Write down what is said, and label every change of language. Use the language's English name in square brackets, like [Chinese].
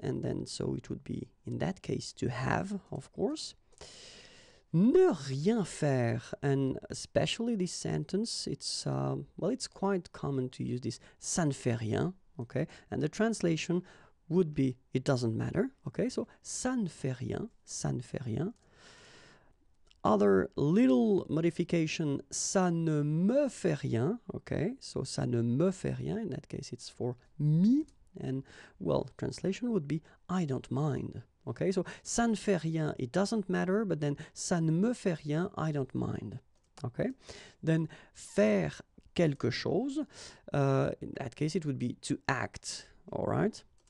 [English] And then so it would be in that case to have, of course. [French] Ne rien faire, [English] and especially this sentence, it's it's quite common to use this, [French] ça ne fait rien, [English] okay? And the translation would be, it doesn't matter, okay? So, [French] ça ne fait rien, ça ne fait rien. [English] Other little modification, [French] ça ne me fait rien, [English] okay? So, [French] ça ne me fait rien, [English] in that case, it's for me, and, well, translation would be, I don't mind. Okay, so [French] ça ne fait rien, [English] it doesn't matter, but then [French] ça ne me fait rien, [English] I don't mind. Okay, then [French] faire quelque chose, [English] in that case it would be to act, all right.